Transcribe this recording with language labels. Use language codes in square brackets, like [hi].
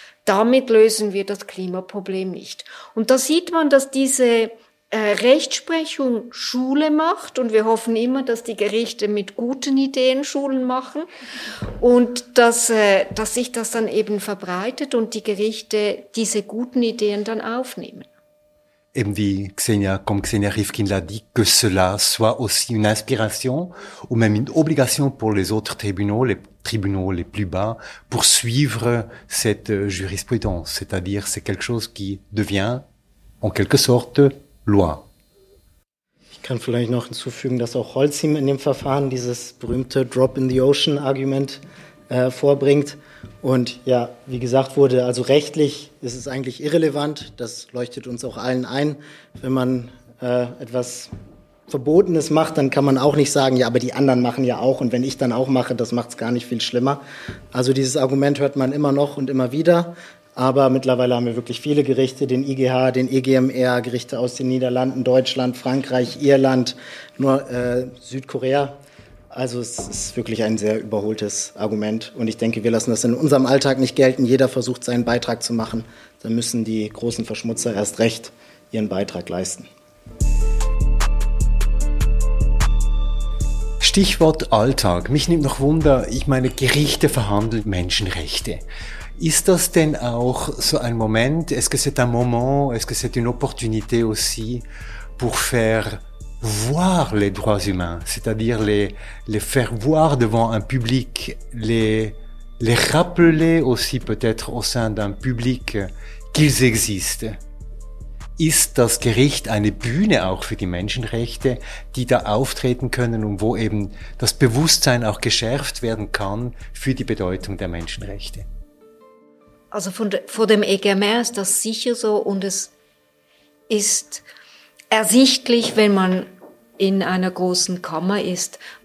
[de] Damit lösen wir das Klimaproblem nicht. Und da sieht man, dass diese Rechtsprechung Schule macht und wir hoffen immer, dass die Gerichte mit guten Ideen Schulen machen und dass sich das dann eben verbreitet und die Gerichte diese guten Ideen dann aufnehmen. Eben wie Xenia, [fr] comme Xenia Rifkin l'a dit, que cela soit aussi une inspiration ou même une obligation pour les autres tribunaux les plus bas, pour suivre cette jurisprudence. C'est-à-dire, c'est quelque chose qui devient, en quelque sorte, loi. [de] Ich kann vielleicht noch hinzufügen, dass auch Holcim in dem Verfahren dieses berühmte [en] Drop in the Ocean [de] Argument vorbringt. Und ja, wie gesagt wurde, also rechtlich ist es eigentlich irrelevant, das leuchtet uns auch allen ein, wenn man etwas Verbotenes macht, dann kann man auch nicht sagen, ja, aber die anderen machen ja auch und wenn ich dann auch mache, das macht es gar nicht viel schlimmer. Also dieses Argument hört man immer noch und immer wieder, aber mittlerweile haben wir wirklich viele Gerichte, den IGH, den EGMR, Gerichte aus den Niederlanden, Deutschland, Frankreich, Irland, nur Südkorea. Also es ist wirklich ein sehr überholtes Argument und ich denke, wir lassen das in unserem Alltag nicht gelten. Jeder versucht, seinen Beitrag zu machen. Dann müssen die großen Verschmutzer erst recht ihren Beitrag leisten. Stichwort Alltag. Mich nimmt noch Wunder, ich meine, Gerichte verhandeln Menschenrechte. Ist das denn auch so ein Moment, [fr] est-ce que c'est un moment, est-ce que c'est une opportunité aussi pour faire voir les droits humains, c'est-à-dire les faire voir devant un public, les rappeler aussi peut-être au sein d'un public qu'ils existent. [de] Ist das Gericht eine Bühne auch für die Menschenrechte, die da auftreten können und wo eben das Bewusstsein auch geschärft werden kann für die Bedeutung der Menschenrechte? Also vor dem EGMR ist das sicher so und es ist ersichtlich, wenn man in einer großen Kammer ist.